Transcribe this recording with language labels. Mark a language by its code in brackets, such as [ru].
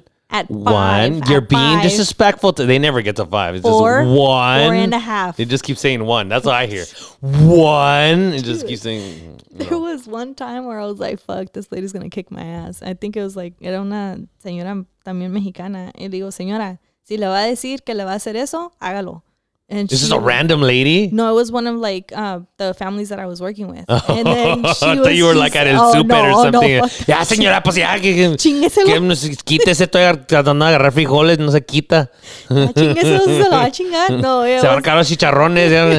[en] at one. Five, you're at being five. Disrespectful to. They never get to five. It's four, just one, four and a half. They just keep saying one. That's what I hear. One. Dude, it just keeps saying. No. There was one time where I was like, "Fuck, this lady's gonna kick my ass." I think it was like [es] era una señora también mexicana. Y digo, señora, si le va a decir que le va a hacer eso, hágalo. [en] And this is a random lady? No, it was one of like the families that I was working with. And then she I thought you were like at a soup or something. [es] No, ya, señora, pues ya. Chingueselo. Quítese, estoy tratando de agarrar frijoles, no se quita. Chingueselo, chingar. No, se van a caer los chicharrones.